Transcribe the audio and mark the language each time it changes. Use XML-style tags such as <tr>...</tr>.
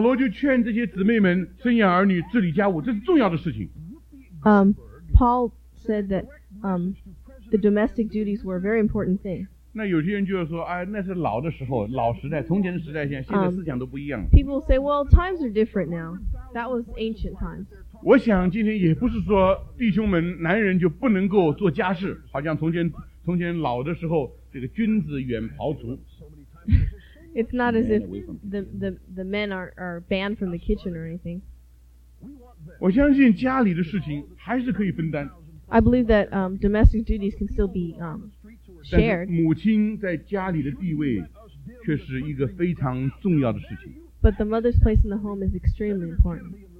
<zh>罗就劝这些姊妹们生养儿女治理家务，这是重要的事情。</zh> <en>Paul said that the domestic duties were a very important thing.</en> <zh>那有些人就说，哎，那是老的时候，老时代，从前的时代，现在思想都不一样。</zh> <en>People say, well, times are different now. That was ancient times.</en> <zh>我想今天也不是说弟兄们男人就不能够做家事，好像从前老的时候，这个君子远庖厨。</zh> <en>It's not as if the men are banned from the kitchen or anything.</en> <zh>我相信家里的事情还是可以分担。</zh> <en>I believe that domestic duties can still be shared.</en> <zh>但是母亲在家里的地位却是一个非常重要的事情。</zh> <en>But the mother's place in the home is extremely important.</en>